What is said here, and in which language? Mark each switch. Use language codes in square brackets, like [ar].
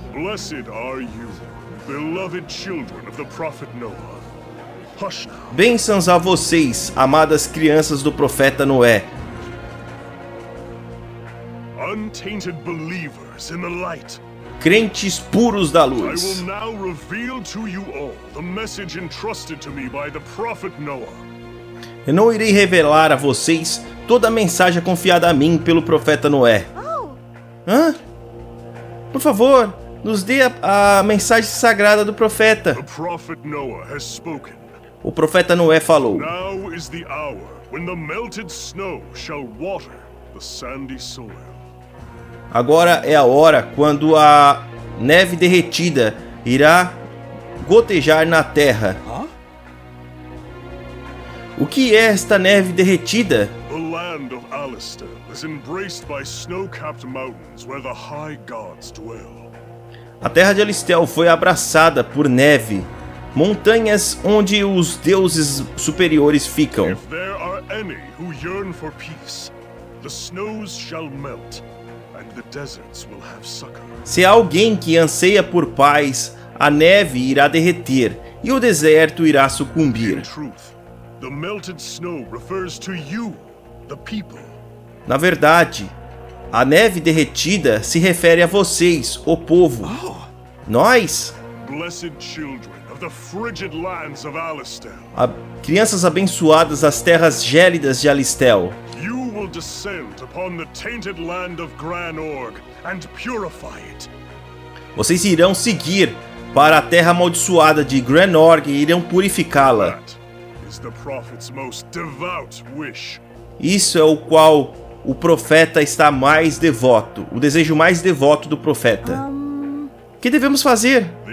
[en] Blessed are you, beloved children of the prophet Noah. Hush now. [pt] Bênçãos a vocês, amadas crianças do profeta Noé. [en] Untainted believers in the light. [pt] Crentes puros da luz. [en] I will now reveal to you all the message entrusted to me by the prophet Noah. [pt] Eu não irei revelar a vocês toda a mensagem confiada a mim pelo profeta Noé. Oh. Hã? Por favor, nos dê a mensagem sagrada do profeta. [en] The prophet Noah has spoken. [pt] O profeta Noé falou. [en] Now is the hour when the melted snow shall water the sandy soil. [pt] Agora é a hora quando a neve derretida irá gotejar na terra. O que é esta neve derretida? [en] The land of Alistair is embraced by snow-capped mountains where the high gods dwell. [pt] A terra de Alistair foi abraçada por neve, montanhas onde os deuses superiores ficam. [en] If there are any who yearn for peace, the snows shall melt and the deserts will have succor. [pt] Se há alguém que anseia por paz, a neve irá derreter e o deserto irá sucumbir. [en] In truth, the melted snow refers to you, the people. [pt] Na verdade, a neve derretida se refere a vocês, o povo. Oh. Nós, [en] blessed children of the frigid lands of Alistair. [pt] Crianças abençoadas das terras gélidas de Alistair. [en] You will descend upon the tainted land of Gran Org and purify it. [pt] Vocês irão seguir para a terra amaldiçoada de Gran Org e irão purificá-la. [en] That is the prophet's most devout wish. [pt] Isso é o qual o profeta está mais devoto, o desejo mais devoto do profeta. O que devemos fazer?